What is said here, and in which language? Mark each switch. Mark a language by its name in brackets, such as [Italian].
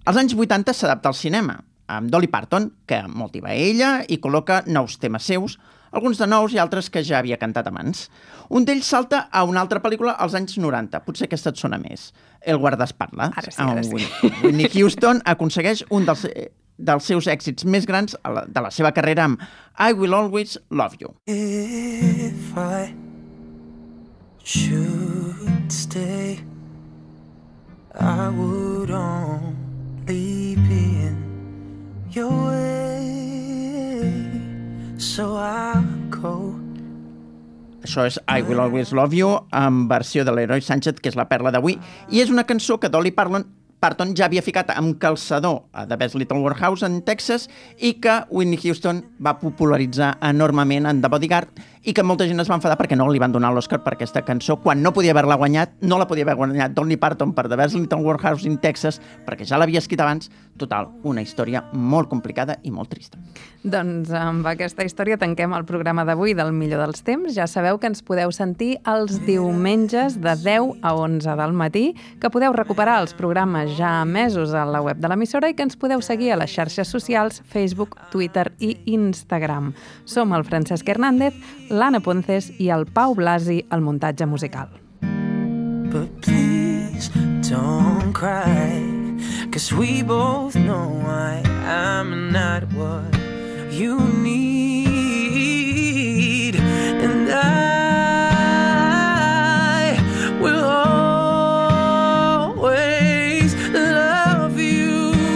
[Catalan] Als anys 80 s'adapta al cinema, amb Dolly Parton, que motiva ella i col·loca nous temes seus, alguns de nous i altres que ja havia cantat abans. Un d'ells salta a una altra pel·lícula als anys 90, potser aquesta et sona més, El guardaespatlles. Ara sí, ara sí. Whitney Houston aconsegueix un dels seus èxits més grans de la seva carrera amb I Will Always Love You. [English] If I should stay, I would only be in your way, so I'll go. [Catalan] Això és I Will Always Love You, en versió de l'Heroi Sánchez, que és la perla d'avui, i és una cançó que Dolly Parton ja havia ficat amb calçador a The Best Little Warehouse en Texas i que Whitney Houston va popularitzar enormement en The Bodyguard i que molta gent es va enfadar perquè no li van donar l'Oscar per aquesta cançó quan no podia haver-la guanyat, no la podia haver guanyat Dolly Parton per The Best Little Warehouse in Texas perquè ja l'havia escrit abans. Total, una història molt complicada i molt trista. Doncs amb aquesta història tanquem el programa d'avui del Millor dels Temps. Ja sabeu que ens podeu sentir els diumenges de 10 a 11 del matí, que podeu recuperar els programes ja emesos a la web de l'emissora i que ens podeu seguir a les xarxes socials Facebook, Twitter i Instagram. Som el Francesc Hernández, l'Anna Ponces i el Pau Blasi al muntatge musical. [English] But please don't cry, 'cause we both know why I'm not what you need, and I will always love you.